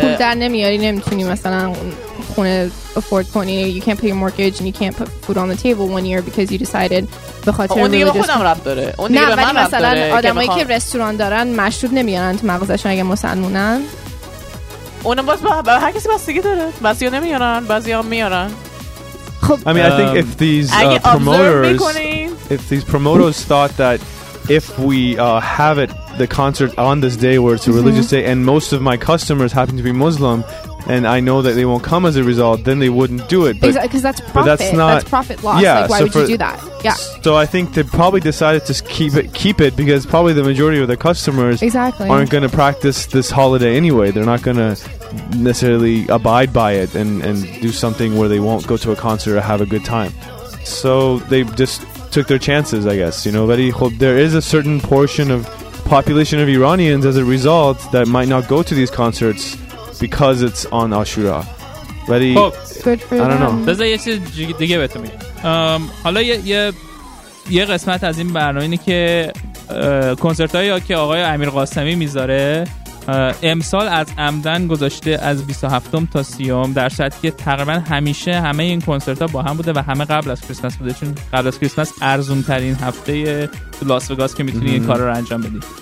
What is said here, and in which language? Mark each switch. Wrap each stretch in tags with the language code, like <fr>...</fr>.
<fa>پول در نمیاری، نمیتونی مثلا خونه افورد کنی،</fa> <en>you can't pay your mortgage and you can't put food on the table one year because you decided</en> <fa>به خاطر اون دیگه به خودم رفت داره، اون دیگه نه، به من رفت داره. مثلا آدمایی که رستوران دارن مشروب نمیارن تو مغازشون اگه مسلمونن، اونم باز به هر کسی بستگی داره، بعضیا نمیارن بعضیا میارن. خب</fa> <en>I mean I think if these promoters if these promoters thought that if we have it the concert on this day where it's a religious day and most of my customers happen to be Muslim and I know that they won't come as a result, then they wouldn't do it. Because exactly, that's profit. That's profit loss. Yeah, like, why would you do that? Yeah. So I think they probably decided to keep it because probably the majority of the customers exactly aren't going to practice this holiday anyway. They're not going to necessarily abide by it and do something where they won't go to a concert or have a good time. So they just took their chances, I guess. You know, but there is a certain portion of population of Iranians as a result that might not go to these concerts because it's on Ashura.</en> <fa>ولی خب</fa> <en>I don't know.</en> <fa>بذار یه چیز دیگه بهتون میگم. حالا یه قسمت از این برنامه اینه که کنسرتایی که آقای امیر قاسمی میذاره امسال از عمدن گذاشته از 27 تا 30، در حالی که تقریبا همیشه همه این کنسرت‌ها با هم بوده و همه قبل از کریسمس بوده، چون قبل از کریسمس ارزان‌ترین هفته تو لاس وگاس که میتونی این کارو انجام بدی.</fa>